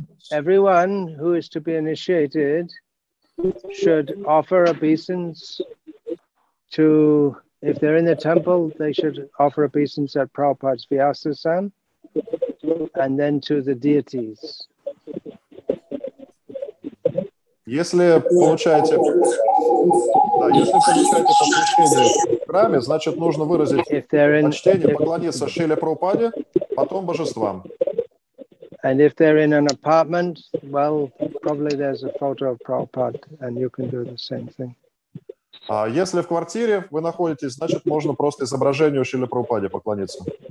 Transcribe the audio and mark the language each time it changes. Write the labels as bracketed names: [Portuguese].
[English] Everyone who is to be initiated should offer obeisance to, if they're in the temple, they should offer obeisance at Prabhupada's Vyasa-san and then to the deities. [Russian] Если получаете, да, если получаете посвящение в храме, значит, нужно выразить почтение, поклониться Шриле Прабхупаде, потом божествам. [English] And if they're in an apartment, well, probably there's a photo of Prabhupada, and you can do the same thing. [Russian] А если в квартире вы находитесь, значит, можно просто изображению Шриле Прабхупаде поклониться.